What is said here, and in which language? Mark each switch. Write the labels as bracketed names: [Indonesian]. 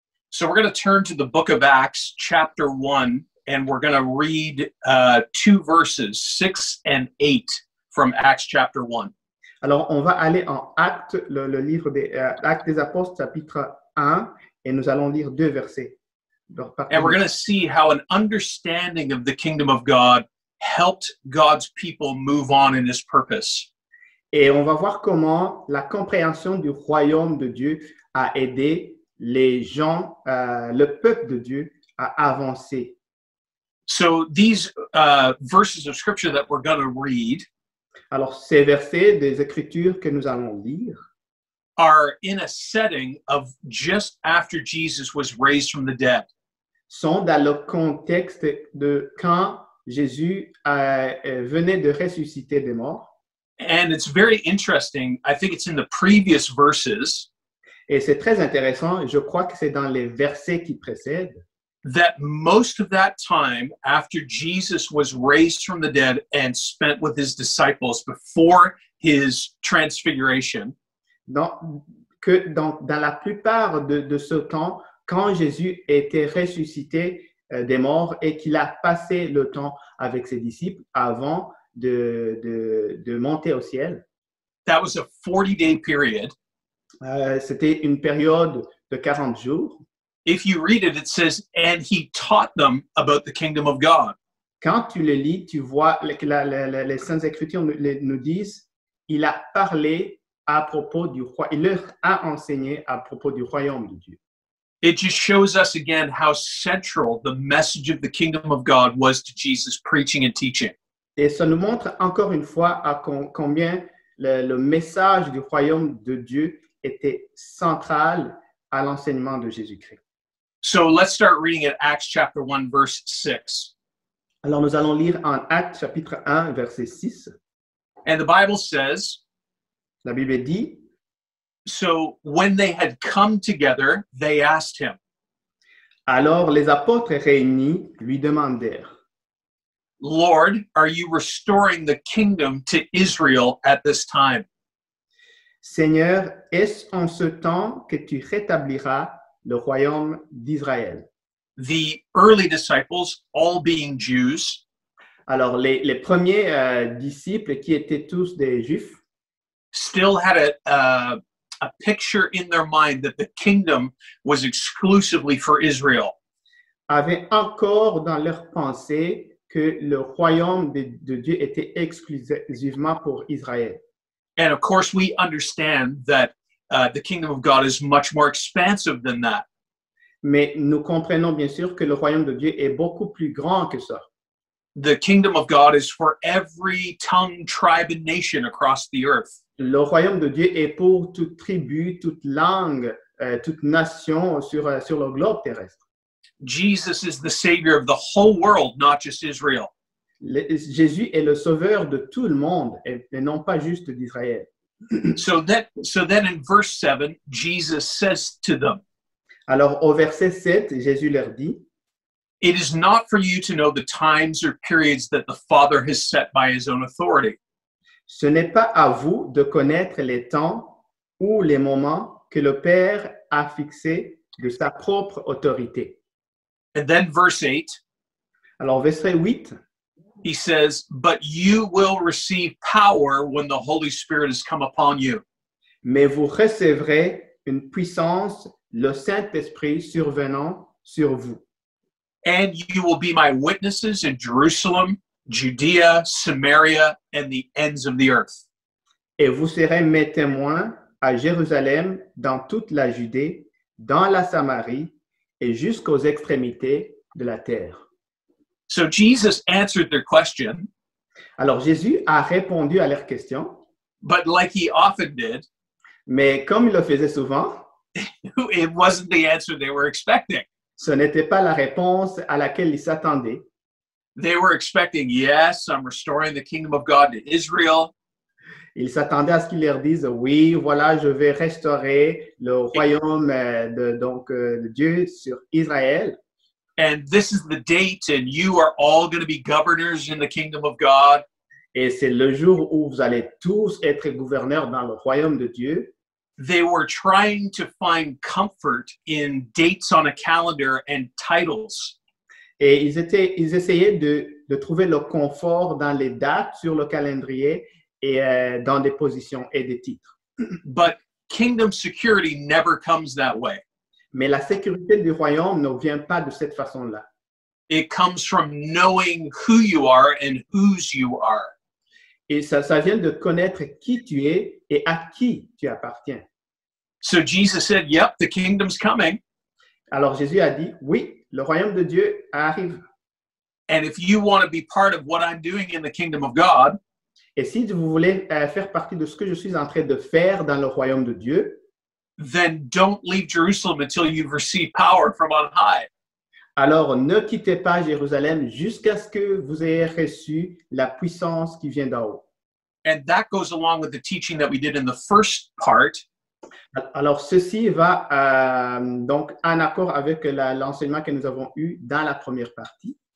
[English] So we're going to turn to the book of Acts, chapter 1, and we're going to read two verses, 6 and 8, from Acts chapter 1. [French] Alors, on va aller en Actes, le livre des Actes des Apôtres, chapitre 1, et nous allons lire deux versets. [English] And we're going to see how an understanding of the kingdom of God helped God's people move on in his purpose. [French] Et on va voir comment la compréhension du royaume de Dieu a aidé les gens, le peuple de Dieu à avancer. [English] So these verses of scripture that we're going to read, [French] alors ces versets des écritures que nous allons lire, [English] are in a setting of just after Jesus was raised from the dead. [French] Sont dans le contexte de quand Jésus venait de ressusciter des morts. [English] And it's very interesting. I think it's in the previous verses. [French] Et c'est très intéressant. Je crois que c'est dans les versets qui précèdent. [English] That most of that time after Jesus was raised from the dead and spent with his disciples before his transfiguration. [French] Dans la plupart de ce temps, quand Jésus était ressuscité des morts et qu'il a passé le temps avec ses disciples avant de monter au ciel. [English] That was a 40-day period. [French] C'était une période de 40 jours. [English] If you read it, it says, and he taught them about the kingdom of God. [French] Quand tu le lis, tu vois que les Saintes Écritures nous disent, il a parlé à propos du roi, il leur a enseigné à propos du royaume de Dieu. [English] It just shows us again how central the message of the kingdom of God was to Jesus' preaching and teaching. [French] Et ça nous montre encore une fois à combien le message du royaume de Dieu était central à l'enseignement de Jésus-Christ. [English] So let's start reading at Acts chapter 1, verse 6. [French] Alors nous allons lire en Actes chapitre 1, verset 6. [English] And the Bible says, [French] la Bible dit, [English] so when they had come together, they asked him. [French] Alors les apôtres réunis lui demandèrent, [English] Lord, are you restoring the kingdom to Israel at this time? [French] Seigneur, est-ce en ce temps que tu rétabliras le royaume d'Israël? [English] The early disciples, all being Jews. [French] Alors, les premiers disciples qui étaient tous des Juifs. [English] Still had a picture in their mind that the kingdom was exclusively for Israel. [French] Avaient encore dans leur pensée que le royaume de Dieu était exclusivement pour Israël. [English] And of course, we understand that the kingdom of God is much more expansive than that. [French] Mais nous comprenons bien sûr que le royaume de Dieu est beaucoup plus grand que ça. [English] The kingdom of God is for every tongue, tribe, and nation across the earth. [French] Le royaume de Dieu est pour toute tribu, toute langue, toute nation sur le globe terrestre. [English] Jesus is the savior of the whole world, not just Israel. [French] Jésus est le sauveur de tout le monde et non pas juste d'Israël. [English] So then in verse 7, Jesus says to them. [French] Alors au verset 7, Jésus leur dit, [English] it is not for you to know the times or periods that the Father has set by his own authority. [French] Ce n'est pas à vous de connaître les temps ou les moments que le Père a fixés de sa propre autorité. [English] And then verse 8. [French] Alors verset 8. [English] He says, but you will receive power when the Holy Spirit has come upon you. [French] Mais vous recevrez une puissance, le Saint-Esprit survenant sur vous. [English] And you will be my witnesses in Jerusalem, Judea, Samaria, and the ends of the earth. [French] Et vous serez mes témoins à Jérusalem, dans toute la Judée, dans la Samarie, et jusqu'aux extrémités de la terre. [English] So Jesus answered their question. [French] Alors Jésus a répondu à leur question. [English] But like he often did. [French] Mais comme il le faisait souvent. [English] It wasn't the answer they were expecting. [French] Ce n'était pas la réponse à laquelle ils s'attendaient. [English] They were expecting, yes, I'm restoring the kingdom of God to Israel. [French] Ils s'attendaient à ce qu'ils leur disent, oui, voilà, je vais restaurer le royaume de Dieu sur Israël. [English] And this is the date, and you are all going to be governors in the kingdom of God. [French] Et c'est le jour où vous allez tous être gouverneurs dans le royaume de Dieu. [English] They were trying to find comfort in dates on a calendar and titles. [French] Et ils essayaient de trouver le confort dans les dates sur le calendrier et dans des positions et des titres. [English] But kingdom security never comes that way. [French] Mais la sécurité du royaume ne vient pas de cette façon-là. [English] It comes from knowing who you are and whose you are. [French] Et ça vient de connaître qui tu es et à qui tu appartiens. [English] So Jesus said, yep, the kingdom's coming. [French] Alors Jésus a dit, oui, le royaume de Dieu arrive. [English] And if you want to be part of what I'm doing in the kingdom of God, [French] et si vous voulez faire partie de ce que je suis en train de faire dans le royaume de Dieu, [English] then don't leave Jerusalem until you've received power from on high. [French] Alors ne quittez pas Jérusalem jusqu'à ce que vous ayez reçu la puissance qui vient d'en haut. [English] And that goes along with the teaching that we did in the first part. [French] Alors ceci va donc en accord avec l'enseignement que nous avons eu dans la première partie.